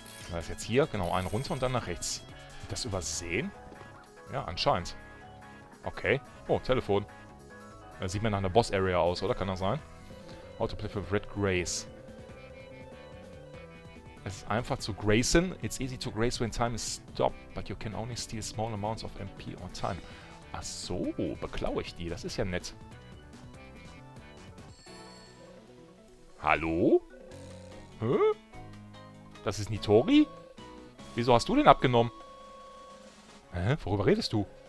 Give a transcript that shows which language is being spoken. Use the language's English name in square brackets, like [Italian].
[German] Das ist jetzt hier, genau, einen runter und dann nach rechts. Das übersehen? Ja, anscheinend. Okay. Oh, Telefon. Das sieht mir nach einer Boss-Area aus, oder? Kann das sein? Autoplay für Red Grace. Es ist einfach zu Grayson. [English] It's easy to grace when time is stopped, but you can only steal small amounts of MP or time. [German] Ach so, beklaue ich die. Das ist ja nett. Hallo? Hä? Das ist Nitori? Wieso hast du den abgenommen? Hä? Worüber redest du?